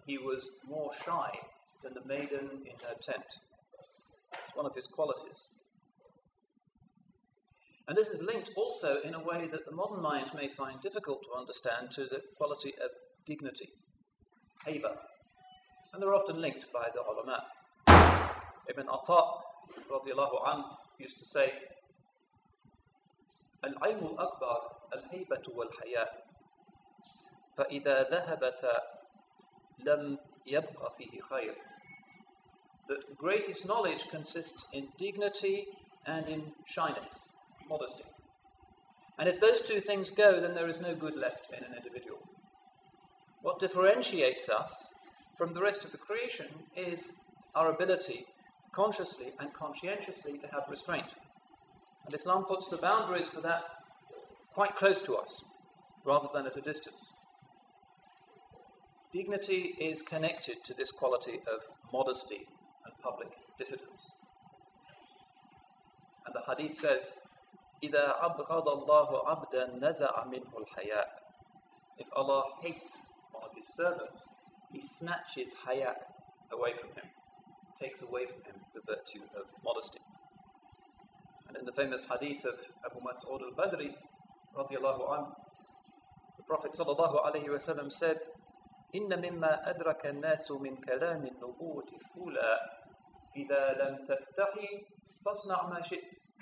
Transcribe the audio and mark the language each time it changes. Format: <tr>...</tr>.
<en>He was more shy than the maiden in her tent. It's one of his qualities. And this is linked also in a way that the modern mind may find difficult to understand to the quality of dignity, haiba. And they're often linked by the ulama. Ibn Atta</en> <ar>رضي الله عنه</ar> <en>used to say,</en> <ar>العلم الأكبر الهيبة والحياء فإذا ذهبت لم يبقى فيه خير.</ar> <en>The greatest knowledge consists in dignity and in shyness, modesty. And if those two things go, then there is no good left in an individual. What differentiates us from the rest of the creation is our ability, consciously and conscientiously, to have restraint. And Islam puts the boundaries for that quite close to us, rather than at a distance. Dignity is connected to this quality of modesty and public diffidence. And the hadith says,</en> <ar>إِذَا أَبْغَضَ اللَّهُ عَبْدًا نَزَعَ مِنْهُ الْحَيَاءُ.</ar> <en>If Allah hates one of his servants, he snatches haya away from him, takes away from him the virtue of modesty. And in the famous hadith of Abu Mas'ud al-Badri, radiallahu anhu, the Prophet sallallahu alayhi wa sallam said,</en> <ar>إِنَّ مِمَّا أَدْرَكَ النَّاسُ مِنْ كَلَامِ النُّبُوَّةِ الْأُولَىٰ إِذَا لَمْ تَسْتَحِي فَاصْنَعْ مَا شِئْتَ.</ar>